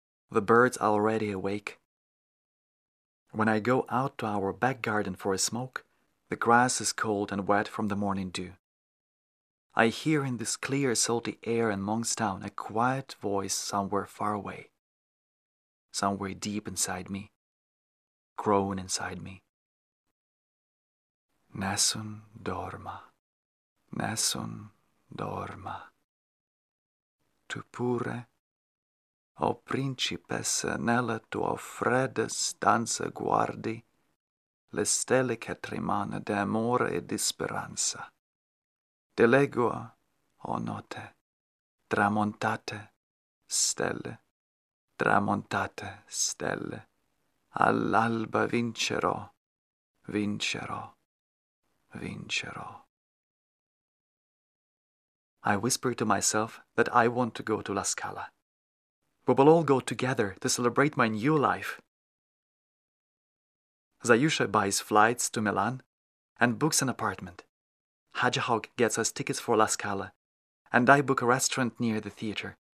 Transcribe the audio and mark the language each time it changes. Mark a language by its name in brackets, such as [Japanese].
[English] The birds are already awake. When I go out to our back garden for a smoke, the grass is cold and wet from the morning dew. I hear in this clear, salty air in Monkstown a quiet voice somewhere far away. Somewhere deep inside me, grown inside me. [Italian] Nessun dorma, nessun dorma. Tu pure, o principessa, nella tua fredda stanza guardi le stelle che tremano d'amore e di speranza. Delegua, o notte, tramontate, stelle. Tramontate stelle, all'alba vincerò, vincerò, vincerò. [English] I whisper to myself that I want to go to La Scala. We will all go together to celebrate my new life. Zayusha buys flights to Milan and books an apartment. Hedgehog gets us tickets for La Scala, and I book a restaurant near the theater.